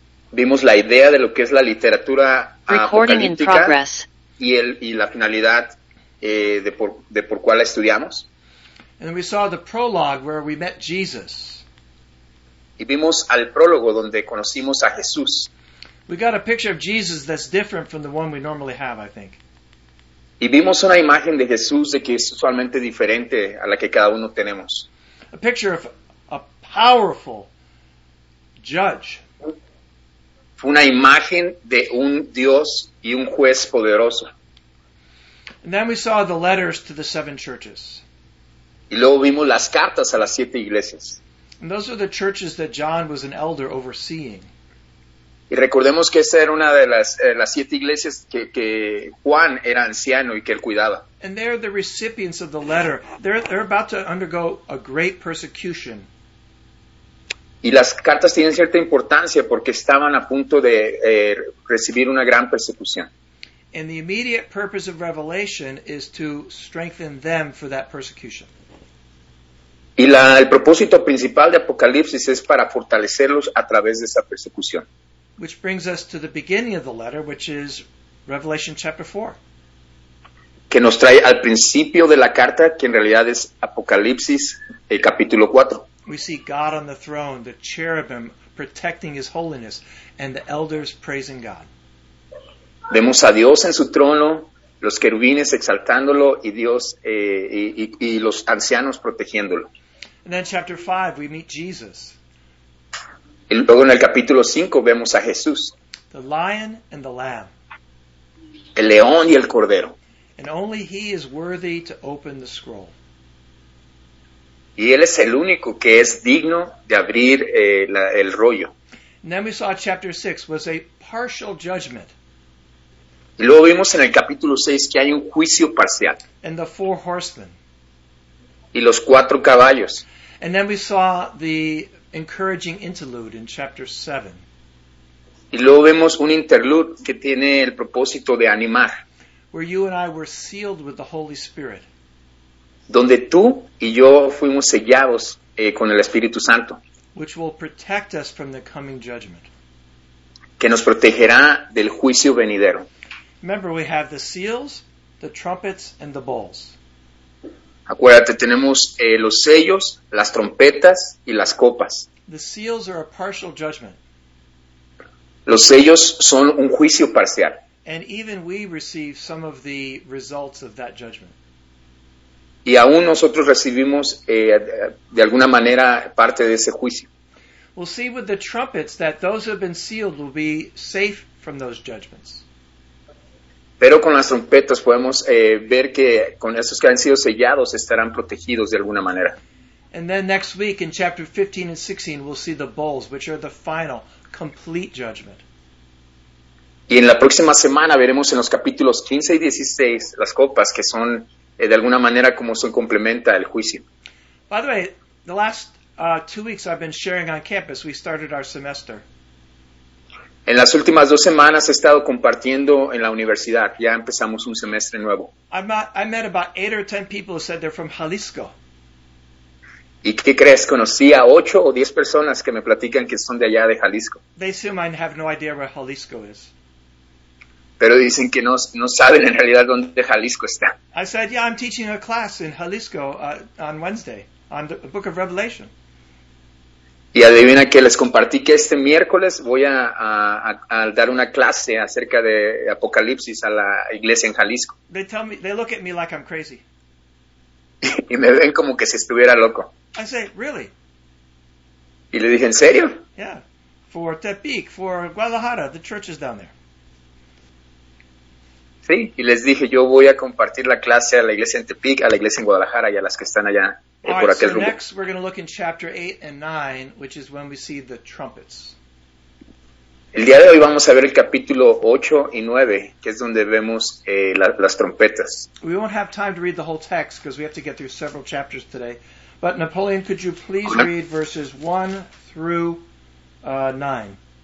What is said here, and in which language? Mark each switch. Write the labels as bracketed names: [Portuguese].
[Spanish] Vimos la idea de lo que es la literatura apocalíptica y la finalidad de por cuál la estudiamos. [English] And then we saw the prologue where we met Jesus. [Spanish] Y vimos al prólogo donde conocimos a Jesús. [English] We got a picture of Jesus that's different from the one we normally have, I think. [Spanish] Y vimos una imagen de Jesús de que es usualmente diferente a la que cada uno tenemos. [English] A picture of a powerful judge. [Spanish] Fue una imagen de un Dios y un juez poderoso. [English] And then we saw the letters to the seven churches. [Spanish] Y luego vimos las cartas a las siete iglesias. [English] And those are the churches that John was an elder overseeing. [Spanish] Y recordemos que esta era una de las siete iglesias que Juan era anciano y que él cuidaba. [English] And they're the recipients of the letter. They're about to undergo a great persecution. [Spanish] Y las cartas tienen cierta importancia porque estaban a punto de recibir una gran persecución. [English] And the immediate purpose of Revelation is to strengthen them for that persecution. [Spanish] Y el propósito principal de Apocalipsis es para fortalecerlos a través de esa persecución. [English] Which brings us to the beginning of the letter, which is Revelation chapter 4. [Spanish] Que nos trae al principio de la carta, que en realidad es Apocalipsis, el capítulo 4. [English] We see God on the throne, the cherubim protecting his holiness, and the elders praising God. [Spanish] Vemos a Dios en su trono, los querubines exaltándolo, y Dios y los ancianos protegiéndolo. [English] And then chapter 5, we meet Jesus. [Spanish] Y luego en el capítulo 5 vemos a Jesús. [English] The lion and the lamb. [Spanish] El león y el cordero. [English] And only he is worthy to open the scroll. [Spanish] Y él es el único que es digno de abrir el rollo. [English] And then we saw chapter 6 was a partial judgment. [Spanish] Y luego vimos en el capítulo 6 que hay un juicio parcial. [English] And the four horsemen. [Spanish] Y los cuatro caballos. [English] And then we saw the encouraging interlude in chapter 7. [Spanish] Y luego vemos un interlude que tiene el propósito de animar. [English] Where you and I were sealed with the Holy Spirit. [Spanish] Donde tú y yo fuimos sellados con el Espíritu Santo. [English] Which will protect us from the coming judgment. [Spanish] Que nos protegerá del juicio venidero. [English] Remember, we have the seals, the trumpets, and the bowls. [Spanish] Acuérdate, tenemos los sellos, las trompetas y las copas. [English] The seals are a partial judgment. [Spanish] Los sellos son un juicio parcial. [English] And even we receive some of the results of that judgment. [Spanish] Y aún nosotros recibimos de alguna manera parte de ese juicio. [English] We'll see with the trumpets that those who have been sealed will be safe from those judgments. [Spanish] Pero con las trompetas podemos ver que con esos que han sido sellados estarán protegidos de alguna manera. [English] And then next week in chapter 15 and 16 we'll see the bowls, which are the final, complete judgment. [Spanish] Y en la próxima semana veremos en los capítulos 15 y 16 las copas, que son de alguna manera como son complementa el juicio. [English] By the way, the last 2 weeks I've been sharing on campus, we started our semester. [Spanish] En las últimas dos semanas he estado compartiendo en la universidad. Ya empezamos un semestre nuevo. [English] I met about 8 or 10 people who said they're from Jalisco. [Spanish] ¿Y qué crees? Conocí a 8 o 10 personas que me platican que son de allá de Jalisco. [English] They assume I have no idea where Jalisco is. [Spanish] Pero dicen que no saben en realidad dónde Jalisco está. [English] I said, yeah, I'm teaching a class in Jalisco on Wednesday on the Book of Revelation. [Spanish] Y adivina que les compartí que este miércoles voy a dar una clase acerca de Apocalipsis a la iglesia en Jalisco. [English] They look at me like I'm crazy. [Spanish] Y me ven como que si estuviera loco. [English] I say, really? [Spanish] Y le dije, ¿en serio? [English] Yeah, for Tepic, for Guadalajara, the churches down there. [Spanish] Sí, y les dije, yo voy a compartir la clase a la iglesia en Tepic, a la iglesia en Guadalajara y a las que están allá. [English] Alright, so next we're going to look in chapter 8 and 9, which is when we see the trumpets. [Spanish] El día de hoy vamos a ver el capítulo 8 y 9, que es donde vemos las trompetas. [English] We won't have time to read the whole text because we have to get through several chapters today. But Napoleon, could you please read verses 1 through 9?